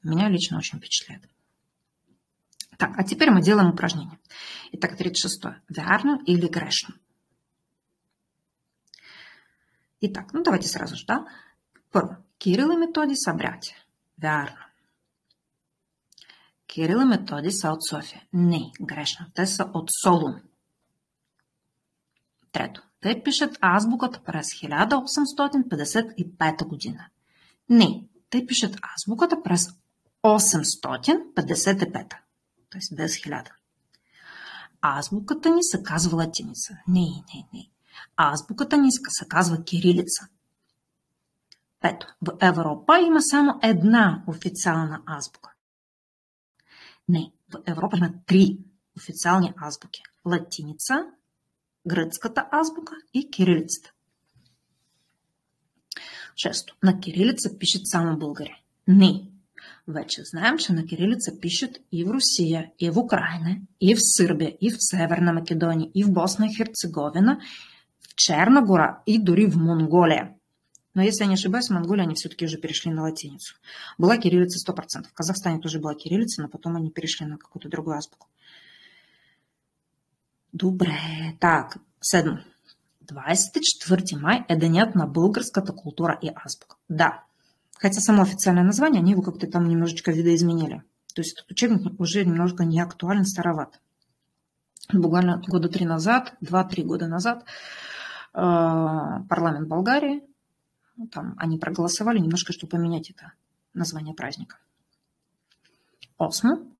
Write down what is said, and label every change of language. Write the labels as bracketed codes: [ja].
[ru] Меня лично очень впечатляет. Так, а теперь мы делаем упражнение. Итак, 36-е. [bg] Верно или грешно? [ru] Итак, ну давайте сразу же, да? Первое. Кирилл и Методий собрать. [bg] Верно. Кирилл и Методий са от Софи. Не, грешно. Те са от Солун. Трето. Те пишат азбуката през 1855 година. Не, те пишат азбуката през 855. Т.е. без 1000. Азбуката ни се казва латиница. Не. Азбуката ни се казва кирилица. Пето. В Европа има само една официална азбука. Не, в Европа има три официални азбуки. Латиница, гръцката азбука и кирилицата. Шесто. На кирилица пишат само българи. Не. Вече знаем, че на кирилица пишат и в Русия, и в Украина, и в Сърбия, и в Северна Македония, и в Босна и Херцеговина, в Черна гора и дори в Монголия. [ru] Но если я не ошибаюсь, в Монголии они все-таки уже перешли на латиницу. Была кирилица 100%. В Казахстане тоже была кирилица, но потом они перешли на какую-то другую азбуку. [bg] Добре. Так, седьмо. 24 май – это нет на българската культура и азбука. Да. [ru] Хотя само официальное название, они его как-то там немножечко видоизменили. То есть этот учебник уже немножко не актуален, староват. Буквально года три назад, 2-3 года назад, парламент Болгарии, там они проголосовали немножко, чтобы поменять это название праздника. Осмо.